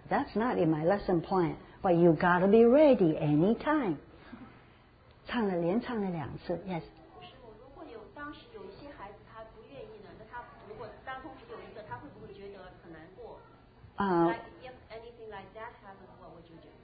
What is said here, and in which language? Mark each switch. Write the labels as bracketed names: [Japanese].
[English] That's not in my lesson plan, but you gotta be ready anytime. [Chinese] 唱了连唱了两次。Yes. 如果有当时有一些孩子他不愿意呢，那他如果当同时有一个，他会不会觉得很难过？ [English] If anything like that happens, what would you do?